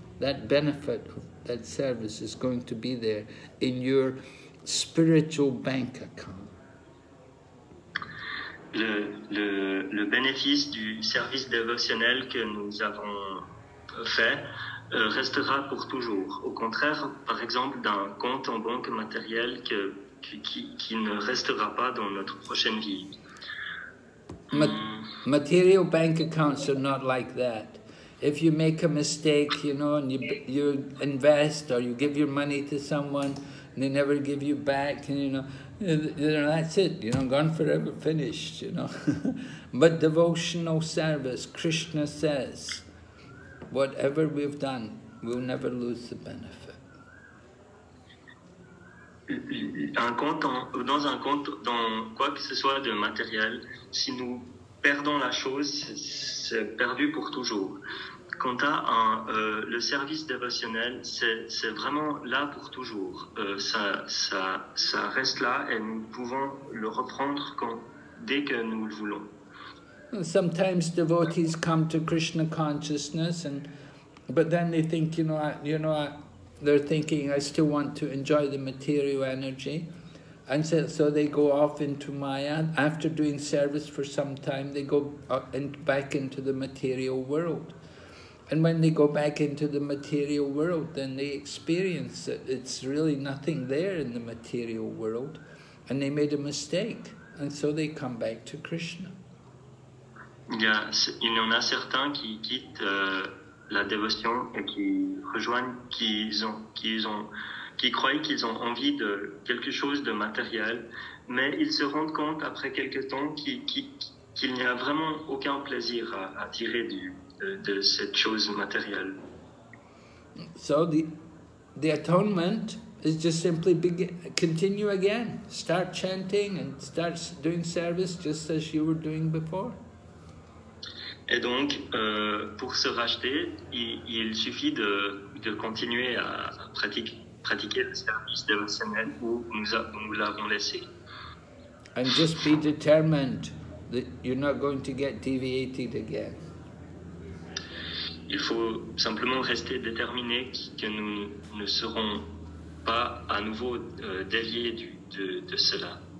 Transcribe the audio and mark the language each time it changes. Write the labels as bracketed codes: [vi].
[en] That benefit of that service is going to be there in your spiritual bank account. [fr] Le bénéfice du service dévotionnel que nous avons fait restera pour toujours. Au contraire, par exemple, d'un compte en banque matérielle qui ne restera pas dans notre prochaine vie. [en] Material bank accounts are not like that. If you make a mistake, you know, and you invest or you give your money to someone and they never give you back, and you know that's it, you know, gone forever, finished, you know. But devotional service, Krishna says, whatever we've done, we'll never lose the benefit. [fr] Dans quoi que ce soit de matériel, si nous perdons la chose, c'est perdu pour toujours. Quant à le service dévotionnel, c'est vraiment là pour toujours. Ça reste là et nous pouvons le reprendre dès que nous le voulons. [en] Sometimes devotees come to Krishna consciousness, but then they think, they're thinking, I still want to enjoy the material energy. And so they go off into Maya. After doing service for some time, they go back into the material world. And when they go back into the material world, then they experience that it's really nothing there in the material world. And they made a mistake. And so they come back to Krishna. [fr] Yes, il y en a certains qui quittent la dévotion et qui croient qu'ils ont envie de quelque chose de matériel, mais ils se rendent compte après quelque temps qu'il n'y a vraiment aucun plaisir à tirer de cette chose matérielle. [en] So the atonement is just simply continue again, start chanting and start doing service just as you were doing before. [fr] Et donc, pour se racheter, il suffit de continuer à pratiquer le service dévotionnel où nous l'avons laissé. [en] And just be determined that you're not going to get deviated again. [fr] Il faut simplement rester déterminé que nous ne serons pas à nouveau déviés de cela.